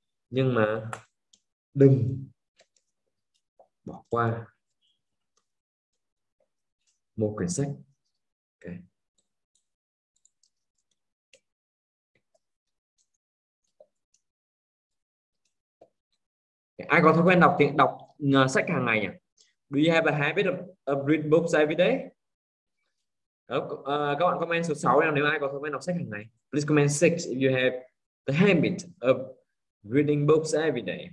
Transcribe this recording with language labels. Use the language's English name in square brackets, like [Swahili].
[Vietnamese] Nhưng mà đừng bỏ qua một quyển sách. Okay. Okay. Ai có thói quen đọc tiếng đọc sách hàng ngày nhỉ? [English] Do you have a habit of read books every day? [Vietnamese] Các bạn comment số 6 nào nếu ai có thói quen đọc sách hàng ngày. [English] Please comment 6 if you have the habit of reading books every day.